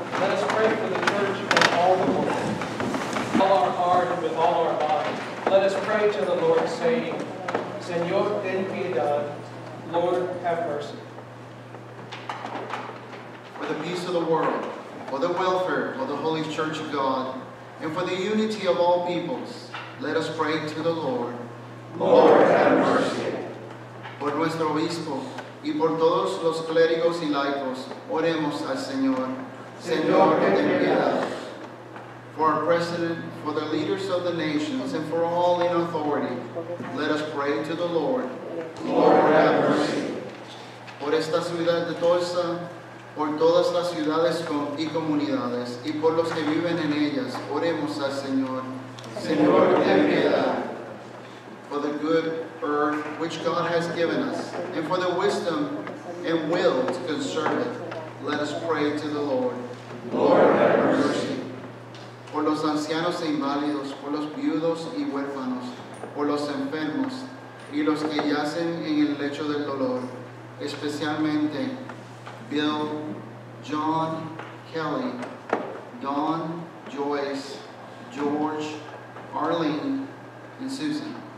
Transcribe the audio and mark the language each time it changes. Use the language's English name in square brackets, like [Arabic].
[English] Let us pray for the church and all the world. With all our heart and with all our mind, let us pray to the Lord, saying, [Spanish] Señor, ten piedad, [English] Lord, have mercy. For the peace of the world, for the welfare of the Holy Church of God, and for the unity of all peoples, let us pray to the Lord. Lord, have mercy. [Spanish] Por nuestro obispo y por todos los clérigos y laicos, oremos al Señor. Señor, ten piedad. [English] For our president, for the leaders of the nations, and for all in authority, let us pray to the Lord. Lord, have mercy. [Spanish] Por esta ciudad de Tulsa, por todas las ciudades y comunidades, y por los que viven en ellas, oremos al Señor. Señor, ten piedad. [English] For the good earth which God has given us, and for the wisdom and will to conserve it, let us pray to the Lord. Lord, have mercy. [Spanish] Por los ancianos e inválidos, por los viudos y huérfanos, por los enfermos, y los que yacen en el lecho del dolor, especialmente Bill, John, Kelly, Don, Joyce, George, Arlene, and Susan.